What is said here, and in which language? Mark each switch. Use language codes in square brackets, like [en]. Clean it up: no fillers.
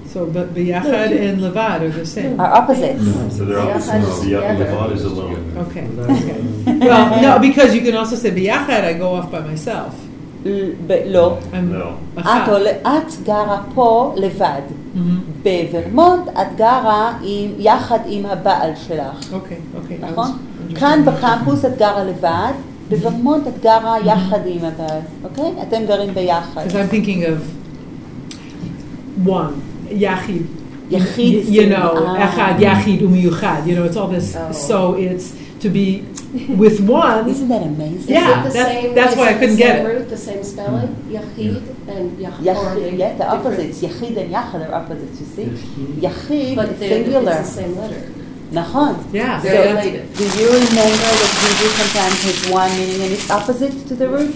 [en] So, but ביחד and לבד are the same. Are opposites. So they're opposites. לבד is alone. Okay. Well, no, because you can also say ביחד, I go off by myself. [he] לא. [en] No. [he] את גרה פה לבד. בוורמונט, את גרה יחד עם הבעל שלך. אוקיי, אוקיי. נכון? כאן בקמפוס את גרה לבד. בוורמונט את גרה יחד עם הבעל, אוקיי? אתם גרים ביחד. [en] Because I'm thinking of one, יחיד. [he] יחיד. [en] You know, [he] אחד, יחיד ומיוחד. [en] You know, it's all this. So it's to be with one. Isn't that amazing? Yeah, that's why I couldn't get it. The same spelling, יחיד and יחד. Yeah, the opposites. יחיד and יחד are opposites, you see? יחיד, singular. But it's the same letter. [he] נכון. [en] Yeah. So, do you remember that Hebrew sometimes has one meaning and it's opposite to the root?